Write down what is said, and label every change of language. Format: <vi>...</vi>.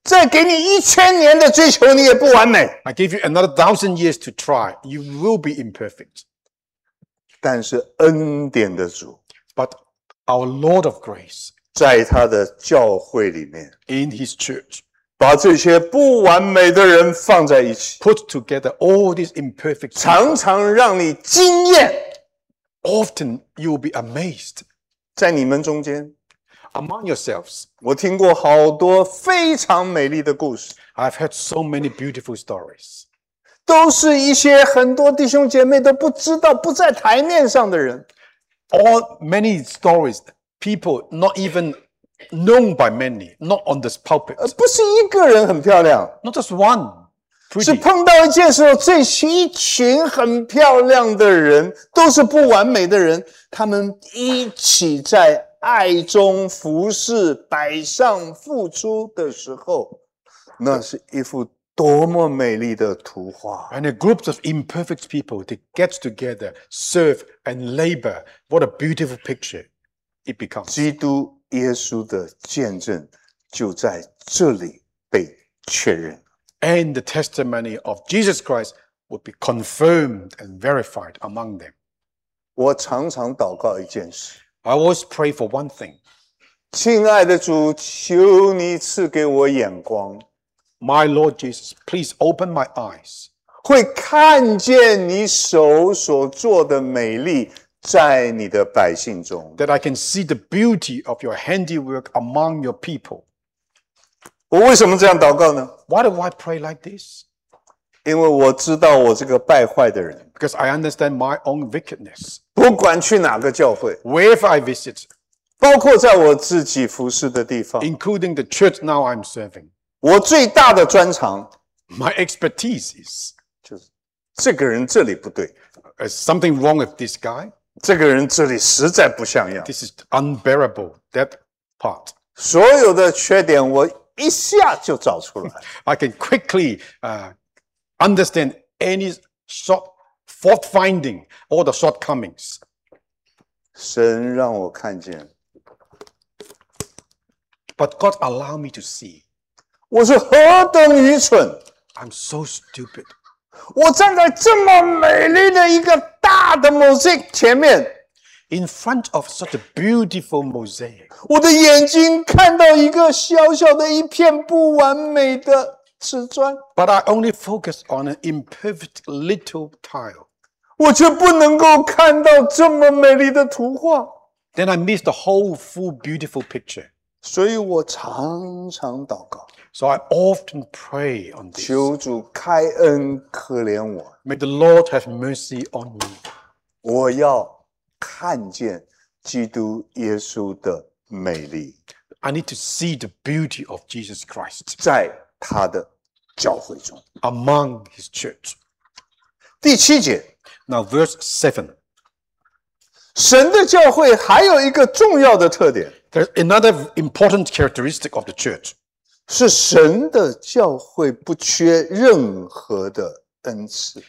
<zh>再给你一千年的追求，你也不完美。</zh> <en>I give you another 1,000 years to try. You will be imperfect.</en> <zh>但是恩典的主。</zh> <en>But our Lord of Grace.</en> <zh>在他的教会里面。</zh> <en>In his church.</en> <zh>把这些不完美的人放在一起。</zh> <en>Put together all these imperfect people.</en> <zh>常常让你惊艳。</zh> <en>Often you will be amazed.</en> <zh>在你们中间。</zh> <en>Among yourselves.</en> <zh>我听过好多非常美丽的故事。</zh> <en>I've heard so many beautiful stories.</en> <zh>都是一些很多弟兄姐妹都不知道不在台面上的人。</zh> <en>All many stories, people not even known by many, not on this pulpit.</en> <zh>不是一个人很漂亮</zh> <en>Not just one.、Pretty.</en> <zh>是碰到一件事这一群很漂亮的人都是不完美的人他们一起在爱中服侍摆上付出的时候那是一幅多么美丽的图画</zh> <en>And a group of imperfect people that gets together, serve and labor. What a beautiful picture it becomes.</en> <zh>基督耶稣的见证就在这里被确认。</zh> <en>And the testimony of Jesus Christ would be confirmed and verified among them.</en> <zh>我常常祷告一件事。</zh> <en>I always pray for one thing.</en> <zh>亲爱的主，求你赐给我眼光。</zh> <en>My Lord Jesus, please open my eyes.</en> <zh>会看见你手所做的美丽。在你的百姓中</zh> <en>That I can see the beauty of your handiwork among your people.</en> <zh>我为什么这样祷告呢</zh> <en>Why do I pray like this?</en> <zh>因为我知道我这个败坏的人</zh> <en>Because I understand my own wickedness.</en> <zh>不管去哪个教会</zh> <en>Wherever I visit.</en> <zh>包括在我自己服侍的地方</zh> <en>Including the church now I'm serving.</en> <zh>我最大的专长</zh> <en>My expertise is</en> <zh>就是这个人这里不对。</zh> <en>Something wrong with this guy?</en> <zh>这个人这里实在不像样。</zh> <en>This is unbearable, that part.</en> <zh>所有的缺点我一下就找出来。</zh> <en>I can quickly, understand any fault finding, all the shortcomings.</en> <zh>神让我看见。</zh> <en>But God allow me to see.</en> <zh>我是何等愚蠢。</zh> <en>I'm so stupid.</en> <zh>我站在这么美丽的一个大的 mosaic 前面。</zh> <en>In front of such a beautiful mosaic.</en> <zh>我的眼睛看到一个小小的一片不完美的瓷砖。</zh> <en>But I only focus on an imperfect little tile.</en> <zh>我却不能够看到这么美丽的图画。</zh> <en>Then I miss the whole full beautiful picture.</en> <zh>所以我常常祷告。</zh> <en>So I often pray on this.</en> <zh>求主开恩可怜我。</zh> <en>May the Lord have mercy on me.</en> <zh>我要看见基督耶稣的美丽。</zh> <en>I need to see the beauty of Jesus Christ.</en> <zh>在他的教会中。</zh> <en>Among his church.</en> <zh>第七节。</zh> <en>Now verse 7.</en> <zh>神的教会还有一个重要的特点。</zh> <en>There's another important characteristic of the church.</en> <zh>是神的教会不缺任何的恩赐。</zh>